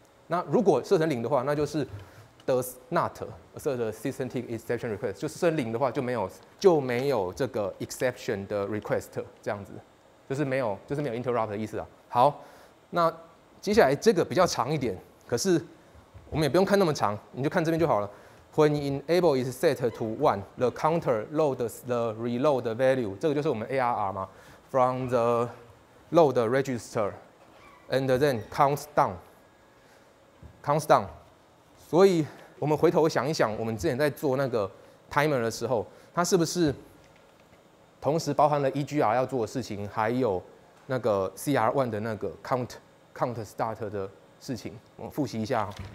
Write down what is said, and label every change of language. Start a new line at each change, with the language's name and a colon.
Chinese: 那如果设成零的话，那就是
English: does not assert system tick exception request，
Chinese: 就是设零的话就没有这个 exception 的 request， 这样子，就是没有 interrupt 的意思啊。好，那接下来这个比较长一点，可是我们也不用看那么长，你就看这边就好了。
English: When enable is set to 1, the counter loads the reload value.
Chinese: 这个就是我们
English: ARR 嘛 from the load register, and then counts down. Counts down.
Chinese: 所以我们回头想一想，我们之前在做那个 timer 的时候，它是不是同时包含了 EGR 要做的事情，还有那个 CR1 的那个 count start 的事情？我复习一下。